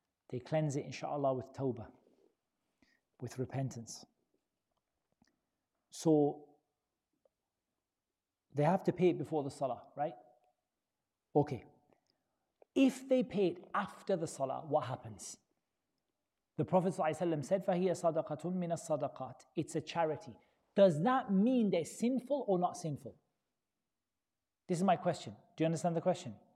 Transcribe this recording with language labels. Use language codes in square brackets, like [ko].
[en] They cleanse it, inshallah, with tawbah, with repentance. So, they have to pay it before the Salah, right? Okay. If they pay it after the Salah, what happens? The Prophet ﷺ said, [ar] فَهِيَ صَدَقَةٌ مِّنَ الصَّدَقَاتِ. [en] It's a charity. Does that mean they're sinful or not sinful? This is my question. Do you understand the question?